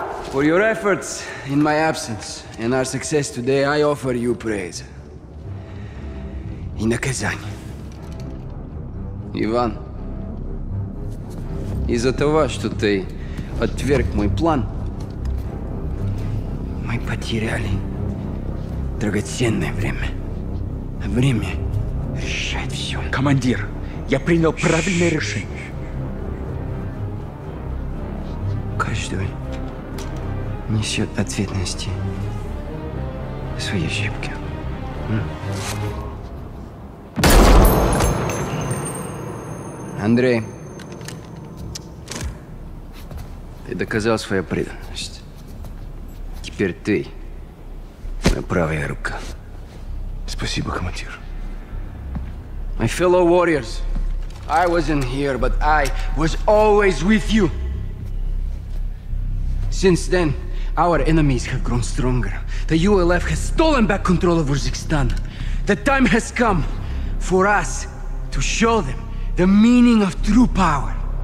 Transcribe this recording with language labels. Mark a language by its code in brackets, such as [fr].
[en] For your efforts in my absence and our success today, I offer you praise. [ru] И наказание. Иван, из-за того, что ты отверг мой план, мы потеряли драгоценное время. Время решает все. Командир! Я принял правильное решение. Каждый несет ответственность за свои ошибки. Андрей, ты доказал свою преданность. Теперь ты моя правая рука. Спасибо, командир. [en] My fellow warriors, I wasn't here, but I was always with you. Since then, our enemies have grown stronger. The ULF has stolen back control of Urzikstan. The time has come for us to show them the meaning of true power.